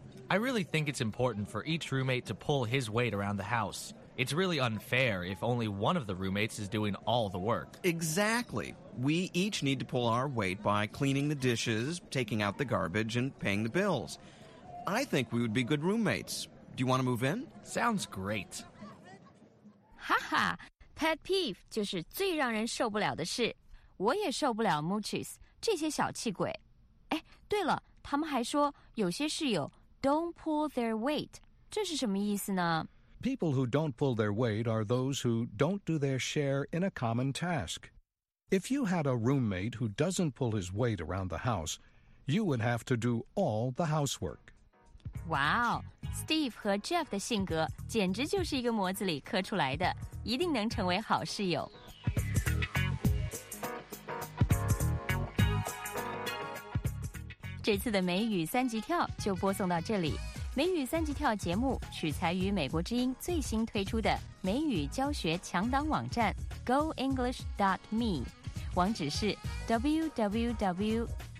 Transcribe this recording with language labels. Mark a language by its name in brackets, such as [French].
[English] I really think it's important for each roommate to pull his weight around the house. It's really unfair if only one of the roommates is doing all the work. Exactly. We each need to pull our weight by cleaning the dishes, taking out the garbage, and paying the bills. I think we would be good roommates. Do you want to move in? Sounds great. Ha ha! [Chinese] Pet peeve 就是最让人受不了的事。我也受不了 mooches, 这些小气鬼。哎，对了，他们还说有些室友 [English] don't pull their weight, [Chinese] 这是什么意思呢? [English] People who don't pull their weight are those who don't do their share in a common task. If you had a roommate who doesn't pull his weight around the house, you would have to do all the housework. [Chinese] Wow, Steve 和 Jeff 的性格简直就是一个模子里刻出来的。一定能成为好室友。这次的美语三级跳就播送到这里。美语三级跳节目取材于美国之音最新推出的美语教学强档网站 goenglish.me， 网址是 www.goenglish.me。